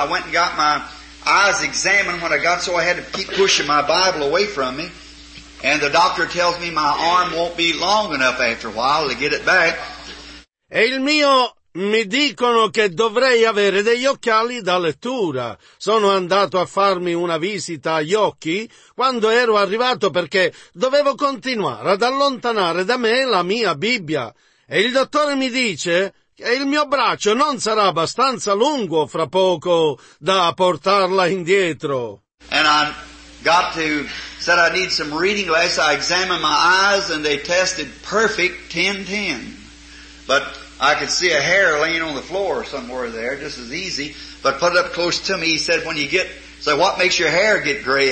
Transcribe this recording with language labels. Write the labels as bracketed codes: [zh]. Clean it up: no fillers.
[en] I went and got my eyes examined when I got so I had to keep pushing my Bible away from me. And the doctor tells me my arm won't be long enough after a while to get it back. [it] E il mio, mi dicono che dovrei avere degli occhiali da lettura. Sono andato a farmi una visita agli occhi quando ero arrivato perché dovevo continuare ad allontanare da me la mia Bibbia. E il dottore mi dice che il mio braccio non sarà abbastanza lungo fra poco da portarla indietro. [en] And I got to, said I need some reading glasses. I examined my eyes and they tested perfect 10-10. But I could see a hair laying on the floor somewhere there, just as easy. But put it up close to me, he said, when you get, so what makes your hair get gray?